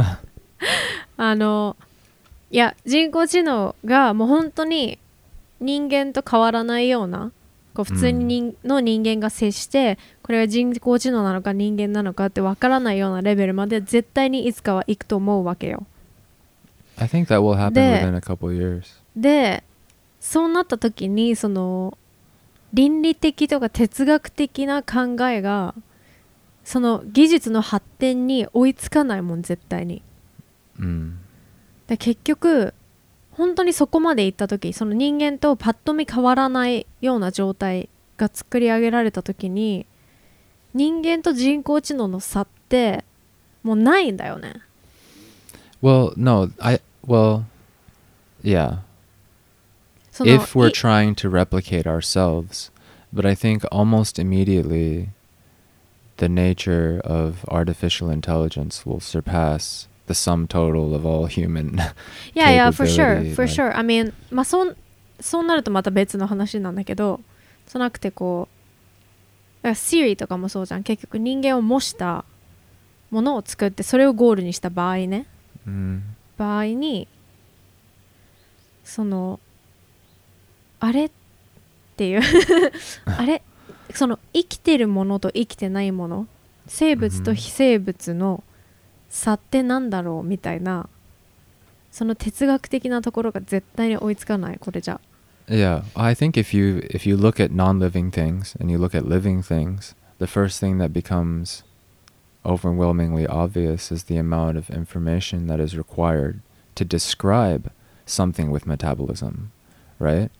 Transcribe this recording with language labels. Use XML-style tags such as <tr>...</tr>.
<ja>S 1> あのいや人工知能がもう本当に人間と変わらないようなこう普通に人、mm. の人間が接してこれは人工知能なのか人間なのかってわからないようなレベルまで絶対にいつかは行くと思うわけよ。</ja> <en>I think that will happen within a couple of years.</en> <ja>でそうなった時にその倫理的とか哲学的な考えがその技術の発展に追いつかないもん絶対に、で結局本当にそこまで行った時その人間とパッと見変わらないような状態が作り上げられた時に人間と人工知能の差ってもうないんだよね。</ja> <en>Well, no, I, well, yeah. If we're trying to replicate ourselves, but I think almost immediately the nature of artificial intelligence will surpass the sum total of all human capability. Yeah, yeah, for sure, for sure. I mean,</en> <ja>まあ、そうなるとまた別の話なんだけど、そうなくてこう、Siri とかもそうじゃん。結局人間を模したものを作って、それをゴールにした場合ね。場合に、その、あれっていうあれその生きてるものと生きてないもの生物と非生物の差ってなんだろうみたいなその哲学的なところが絶対に追いつかないこれじゃ。</ja> <en>Yeah, I think if you look at non-living things and you look at living things, the first thing that becomes overwhelmingly obvious is the amount of information that is required to describe something with metabolism. Right?</en>